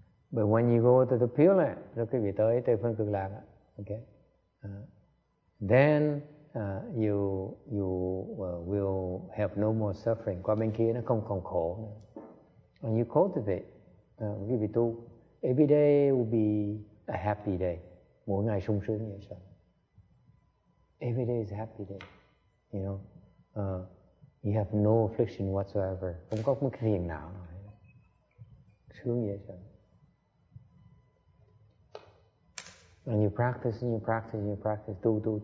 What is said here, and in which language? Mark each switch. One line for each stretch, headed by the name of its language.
English: But when you go to the Pure Land,
Vietnamese: rồi quý vị tới Tây Phương Cực Lạc,
English: okay, then you will have no more suffering.
Vietnamese: Qua bên kia nó không còn khổ nữa.
English: When you cultivate,
Vietnamese: quý vị tu,
English: every day will be a happy day.
Vietnamese: Mỗi ngày sung sướng như sao?
English: Every day is a happy day. You know, you have no affliction whatsoever.
Vietnamese: Không có một cái phiền não nào. Sướng như sao?
English: And you practice, and you practice, and you practice,
Vietnamese: tu.